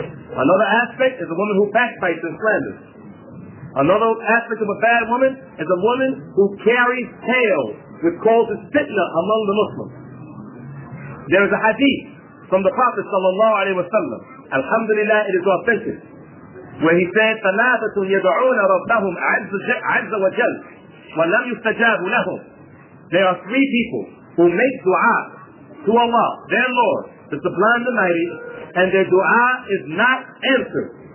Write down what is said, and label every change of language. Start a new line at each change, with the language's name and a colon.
English: Another aspect is a woman who backbites and slanders. Another aspect of a bad woman is a woman who carries tales which causes fitna among the Muslims. There is a hadith from the Prophet sallallahu alayhi wa sallam. Alhamdulillah, it is authentic. Where he said,
Arabic: ثَلَاثَةٌ يَدْعُونَ رَبَّهُمْ عَزَّ وَجَلْ وَلَمْ يُسْتَجَابُ لَهُمْ.
English: There are three people who make dua to Allah, their Lord, the Sublime, the Mighty, and their dua is not answered.